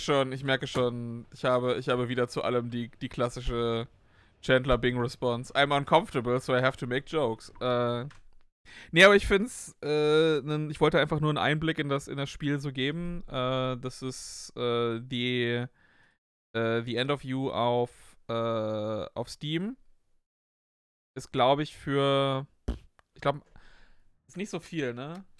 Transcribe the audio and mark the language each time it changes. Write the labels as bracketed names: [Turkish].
[German] Ich merke schon, ich habe wieder zu allem die klassische Chandler Bing Response. [English] I'm uncomfortable, so I have to make jokes. [German] Aber ich find's, ich wollte einfach nur einen Einblick in das Spiel so geben. Das ist The End of You auf Steam. Ist, glaube ich, ist nicht so viel, ne?